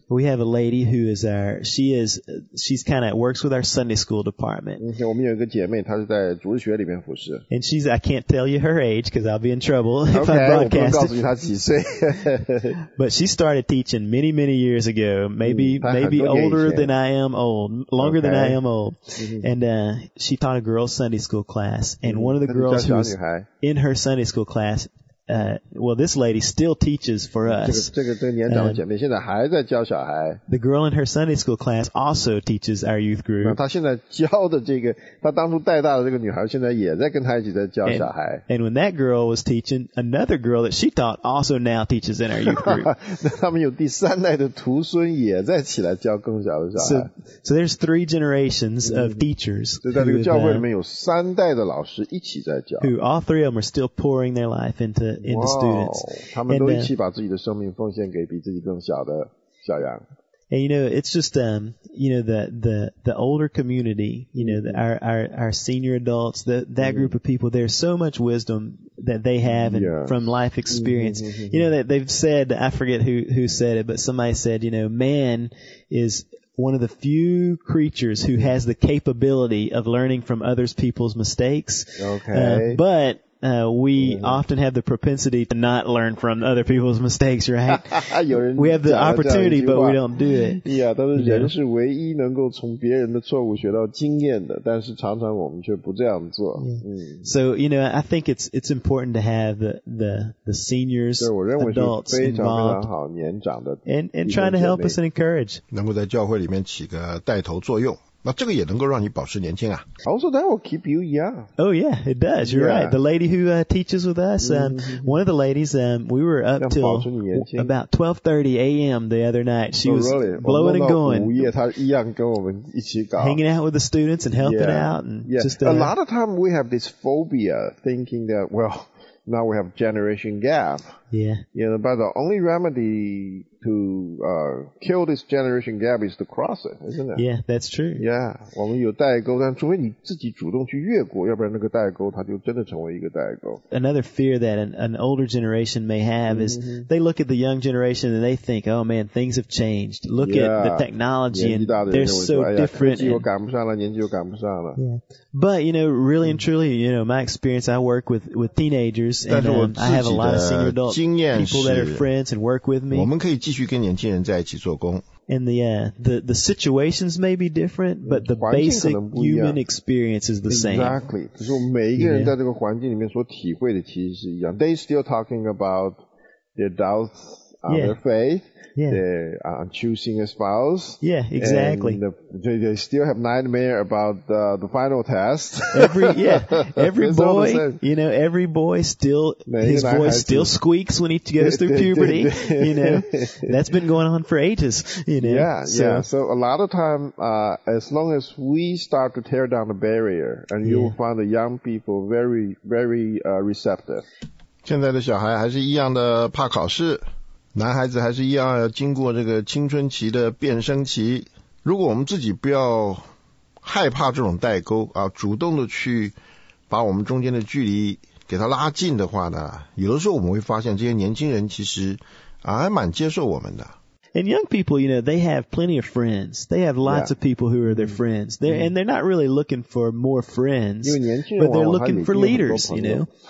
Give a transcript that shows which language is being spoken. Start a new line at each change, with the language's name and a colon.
English: We have a lady who is our, she's kind of works with our Sunday school department.
Chinese: 我们有一个姐妹她是在主日学里面服侍。
English: And she's, I can't tell you her age because I'll be in trouble if okay, I broadcast
Chinese: it. 我不能告诉你她几岁。
English: But she started teaching many, many years ago, maybe older than I am old, longer okay. than I am old. And, she taught a girls Sunday school class and one of the girls who was in her Sunday school class,well, this lady still teaches for us.
Chinese: 这个年长的姐妹现在还在教小孩。
English: The girl in her Sunday school class also teaches our youth group.
Chinese: 她现在教的这个，她当初带大的这个女孩现在也在跟她一起在教小孩。
English: And when that girl was teaching, another girl that she taught also now teaches in our youth group.
Chinese: 那他们有第三代的徒孙也在起来教更小的小孩。
English: So there's three generations of teachers.
Chinese: 就在这个教会里面有三代的老师一起在教。
English: Who all three of them are still pouring their life into students.
Chinese: Wow, 他们都一起把自己的生命奉献给比自己更小的小羊。
English: And you know, it's just, you know, the older community, you know, our senior adults, that group of people, there's so much wisdom that they have and yes. from life experience. Mm-hmm. You know, that they've said, I forget who said it, but somebody said, you know, man is... one of the few creatures who has the capability of learning from others people's mistakes. Okay. But we often have the propensity to not learn from other people's mistakes, right?
Chinese: 有人
English: we have the opportunity, but we don't do it.
Chinese: Yeah, 但是人是唯一能够从别人的错误学到经验的，但是常常我们却不这样做。
English: Yeah. So, you know, I think it's important to have the seniors, adults involved, and trying to help us and encourage.
Chinese: 能够在教会里面起个带头作用。那这个也能够让你保持年轻啊。
English: Also, that will keep you young. Oh, yeah, it does. You're yeah. right. The lady who teaches with us, one of the ladies, we were up till about 12:30 a.m. the other night. She was blowing and going.
Chinese: 午夜她一样跟我们一起搞。
English: Hanging out with the students and helping out. And just, a lot of time we have this phobia thinking that, well, now we have generation gap. Yeah. You know, but the only remedy... to, kill this generation gap is to cross it, isn't it? Yeah, that's true. Yeah, 我们有代沟，但除非你自己主动去越过，要不然那个代沟它就真的成为一个代沟。 Another fear that an older generation may have is they look at the young generation and they think, oh man, things have changed. Look at the technology and they're so different.
Chinese: 年纪又赶不上了，年纪又赶不上了。
English: But, you know, really and truly, you know, my experience, I work with teenagers and I have a lot of senior adults, people that are friends and work with me.
Chinese: 我们可以继续跟年轻人在一起做工。
English: And the situations may be different, but the basic human experience is the same. Exactly.
Chinese: 就是每一个人在这个环境里面所体会的其实是一样。
English: They still talking about their doubts on their faith. Yeah. They're choosing a spouse. Yeah, exactly. And they still have nightmare about the final test. Every boy, you know, every boy still, his voice still squeaks when he goes through puberty, you know. That's been going on for ages, you know. Yeah, so, yeah. So a lot of time, as long as we start to tear down the barrier, and you will find the young people very, very receptive.
Chinese: 现在的小孩还是一样的怕考试。男孩子还是一样要经过这个青春期的变声期。如果我们自己不要害怕这种代沟啊，主动的去把我们中间的距离给他拉近的话呢，有的时候我们会发现这些年轻人其实啊还蛮接受我们的。
English: And young people, you know, they have plenty of friends. They have lots of people who are their friends. They're, and they're not really looking for more friends, but they're looking for leaders, you know.